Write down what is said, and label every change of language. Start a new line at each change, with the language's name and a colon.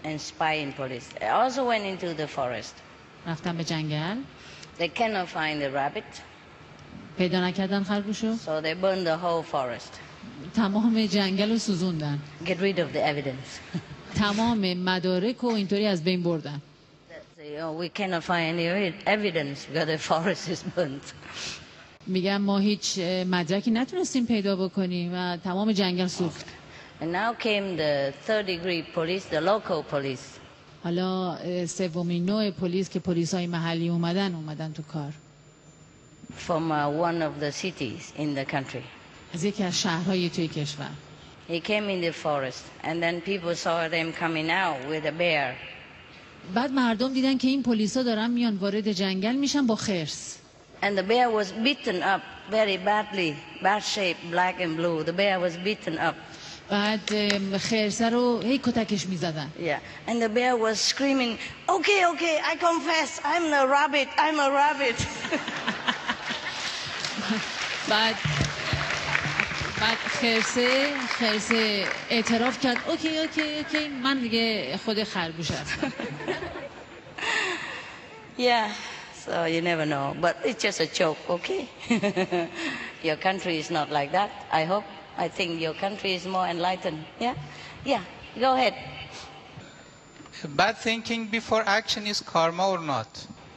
English: And spying police. Also went into the forest.
Persian: رفتن به جنگل.
English: They cannot find the rabbit.
Persian: پیدا نکردن خرگوشو.
English: So they burned the whole forest.
Persian: تمام جنگل رو سوزوندن.
English: Get rid of the evidence.
Persian: تمام مدارک رو اینطوری از بین بردن.
English: We cannot find any evidence because the forest is burnt.
Persian: میگن ما هیچ مدرکی نتونستیم پیدا بکنیم و تمام جنگل سوخت.
English: And now came the third degree police, the local police.
Persian: حالا سومین نوع پلیس که پلیس‌های محلی اومدن تو کار.
English: From one of the cities in the country.
Persian: از یکی از شهرهای توی کشور.
English: He came in the forest, and then people saw them coming out with a bear.
Persian: بعد مردم دیدن که این پلیس‌ها دارن میان وارد جنگل میشن با خرس.
English: And the bear was beaten up very badly, bad shape, black and blue. The bear was beaten up.
Persian: بعد خرس رو هی کتکش میزدن.
English: Yeah, and the bear was screaming, "Okay, okay, I confess, I'm a rabbit. I'm a rabbit."
Persian: بعد خرسه اعتراف کرد اوکی اوکی اوکی من دیگه خود خرگوش هستم.
English: Yeah, So you never know, but it's just a joke, okay? Your country is not like that. I hope, I think your country is more enlightened. Yeah, yeah. Go ahead. Bad thinking before action is karma or not?